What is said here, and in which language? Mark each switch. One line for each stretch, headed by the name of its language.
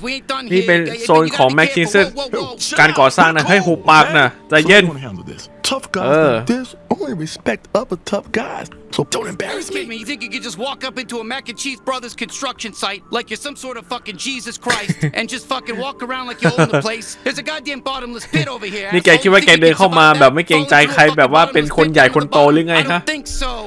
English: We ain't done here.
Thai: นี่เป็นโซนของ Mac and Cheese การก่อสร้างนะให้หุบปากนะใจเย็น
English: Tough guys like this only respect other tough guys. So don't embarrass me. You think you could just walk up into a Mac and Cheese Brothers construction site like you're some sort of fucking Jesus Christ and just fucking walk around like you own the place? There's a goddamn bottomless pit over here.
Thai: นี่แกคิดว่าแกเดินเข้ามาแบบไม่เกรงใจใครแบบว่าเป็นคนใหญ่คนโตหรือไงฮะ
English: I think so.